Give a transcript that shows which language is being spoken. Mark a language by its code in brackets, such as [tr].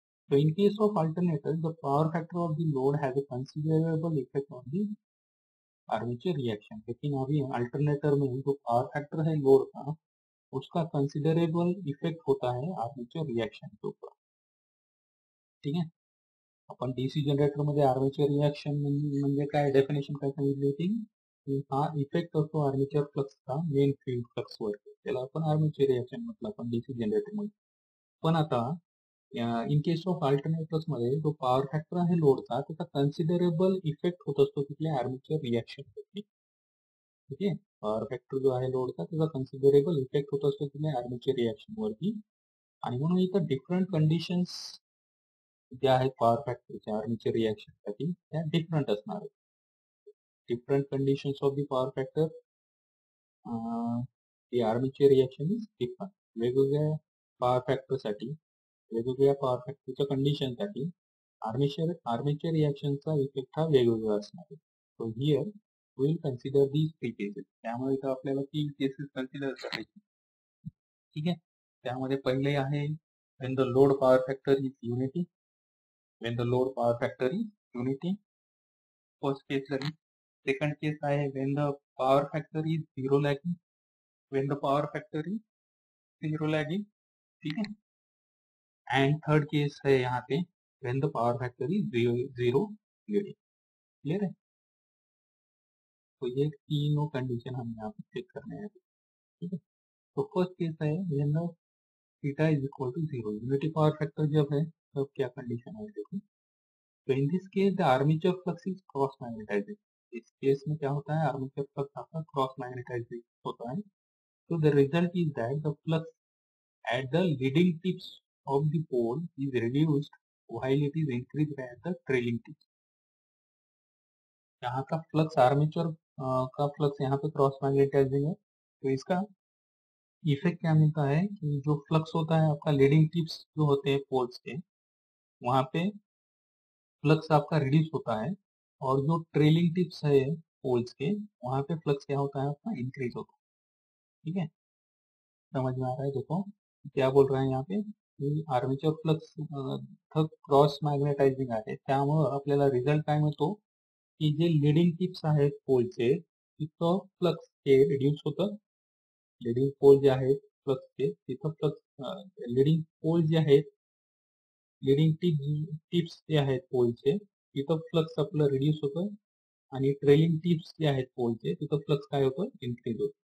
[en] तो in case of alternator the power factor of the load has a considerable effect on the armature reaction. [hi] लेकिन अभी alternator में जो power factor है load का, उसका कंसिडरेबल इफेक्ट होता है आर्मेचर रिएक्शन के ऊपर, ठीक है. [mr] अपन डीसी जनरेटर मध्ये आर्मेचर रिएक्शन म्हणजे काय डेफिनेशन काय सांगितली होती, हा इफेक्ट असतो आर्मेचर फ्लक्स का मेन फील्ड फ्लक्स वर, त्याला आपण आर्मेचर रिएक्शन म्हटलं आपण डीसी जनरेटर मध्ये. पण आता इन केस ऑफ अल्टरनेटर्स मध्ये जो पॉवर फॅक्टर आहे लोडचा, त्याचा कन्सिडरेबल इफेक्ट होत असतो तिथल्या आर्मेचर रिएक्शन वरती, ठीक आहे. पॉवर फॅक्टर जो आहे लोडचा, त्याचा कन्सिडरेबल इफेक्ट होत असतो तिथल्या आर्मेचर रिएक्शन वरती. आणि म्हणून इथं डिफरंट कंडिशन्स ज्या आहेत पॉवर फॅक्टरच्या आर्मेचर रिएक्शन साठी, त्या डिफरंट असणार आहेत. [en] Different condition of the power factor the armature reaction is different. [mr] वेगवेगळ्या पॉवर फॅक्टर साठी, वेगवेगळ्या पॉवर फॅक्टरच्या कंडिशन साठी आर्मेचर रिएक्शनचा इफेक्ट हा वेगवेगळा असणार आहे. [en] So here we will consider these three cases. [mr] त्यामुळे इथं आपल्याला तीन केसेस कन्सिडर करायचे, ठीक आहे. त्यामध्ये पहिले आहे [en] when the load power factor is unity, [mr] Wien the load power factor is unity, first केस लागेल. [en] second case आहे when the power factor is zero lagging, when the power factor is zero lagging, [mr] ठीक आहे. [en] And third case आहे यहाँ पे when the power factor is zero leading. [mr] Clear आहे. [hi] तो ये तीनों कंडिशन हम यहाँ पे चेक करने हैं, ठीक है. तो फर्स्ट केस है [en] when the theta is equal to zero, [hi] unity power factor जब है तब क्या कंडीशन है, देखो. [en] In this case the armature flux is cross magnetizing. [hi] इस केस में क्या होता है, आर्मेचर फ्लक्स आपका क्रॉस मैग्नेटाइजिंग होता है। [en] तो the result is that the flux at the leading tips of the pole is reduced while it is increase at the trailing tips. [hi] यहाँ का फ्लक्स आर्मेचर का फ्लक्स यहाँ पे क्रॉस मैग्नेटाइजिंग है, तो इसका इफेक्ट क्या मिलता है कि जो फ्लक्स होता है आपका लीडिंग टिप्स जो होते हैं पोल्स के, वहां पे फ्लक्स आपका रिड्यूस होता है, और जो ट्रेलिंग टिप्स है पोल्स के वहां पे फ्लक्स क्या होता है आपका इंक्रीज होता है। ठीक है, समझ में आ रहा है? देखो क्या बोल रहा है यहाँ पे, [mr] आर्मेचर फ्लक्स क्रॉस मैग्नेटाइजिंग आहे, त्यामुळे आपल्याला रिझल्ट काय मिळतो की जे लीडिंग टिप्स आहेत पोलचे तिथं फ्लक्स हे रिड्यूस होतं, लीडिंग पोल जे आहेत फ्लक्स चे तिथं फ्लक्स लीडिंग पोल जे आहेत लीडिंग टिप्स जे आहेत पोलचे तिथं फ्लक्स आपलं रिड्यूस होतं, आणि ट्रेलिंग टिप्स जे आहेत पोलचे तिथं फ्लक्स काय होतं इन्क्रीज होतं।